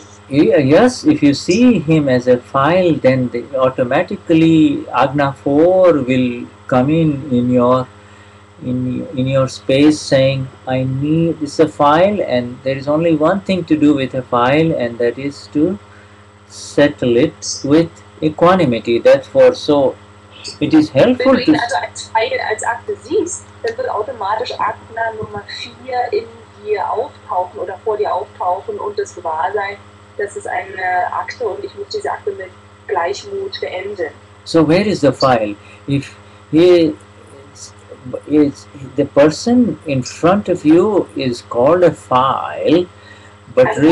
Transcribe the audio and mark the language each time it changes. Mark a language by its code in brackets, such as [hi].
[en] Yes, if you see him as a file, then automatically Agna 4 will come in your space saying, I need this a file, and there is only one thing to do with a file, and that is to settle it with equanimity. Therefore, so it is helpful to... [de] Wenn du ihn also als File, als Akte siehst, dann wird automatisch Akna Nummer 4 in dir auftauchen oder vor dir auftauchen und das gewahr sein, das ist eine Akte und ich muss diese Akte mit Gleichmut beenden. [en] So where is the file? If he... Is the person in front of you is called a file, but